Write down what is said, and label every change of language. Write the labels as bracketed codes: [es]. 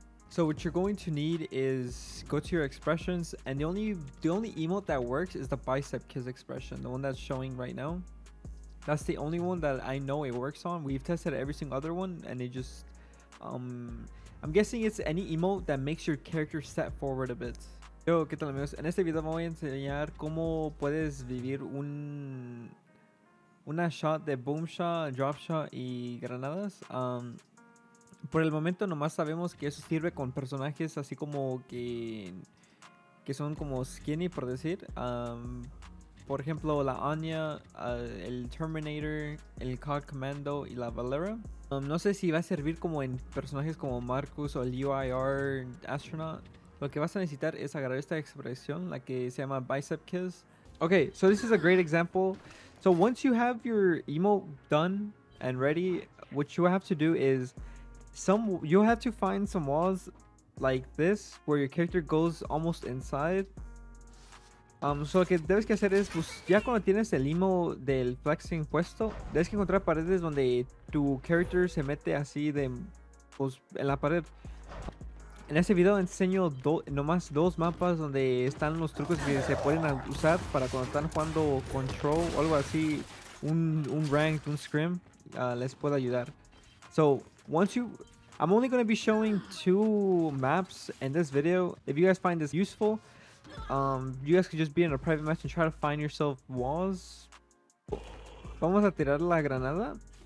[en] So what you're going to need is go to your expressions, and the only emote that works is the bicep kiss expression, the one that's showing right now. That's the only one that I know it works on. We've tested every single other one, and it just I'm guessing it's any emote that makes your character step forward a bit. [es] Yo, ¿qué tal, amigos? En este video me voy a enseñar cómo puedes vivir una shot de boom shot, drop shot y granadas. Por el momento nomás sabemos que eso sirve con personajes así como que son como skinny, por decir. Por ejemplo, la Anya, el Terminator, el COD Commando y la Valera. No sé si va a servir como en personajes como Marcus o el UIR Astronaut. Lo que vas a necesitar es agarrar esta expresión, la que se llama Bicep Kiss. [en] Okay, so this is a great example. So once you have your emote done and ready, what you have to do is... you'll have to find some walls like this where your character goes almost inside. [es] So lo que debes que hacer es, pues, ya cuando tienes el emo del flexing puesto, debes que encontrar paredes donde tu character se mete así de, pues, en la pared. En este video enseño nomás dos mapas donde están los trucos que se pueden usar para cuando están jugando control o algo así, un ranked, un scrim, les pueda ayudar. [en] So once you, I'm only going to be showing two maps in this video. If you guys find this useful, you guys could just be in a private match and try to find yourself walls. [es] Vamos a tirar la granada.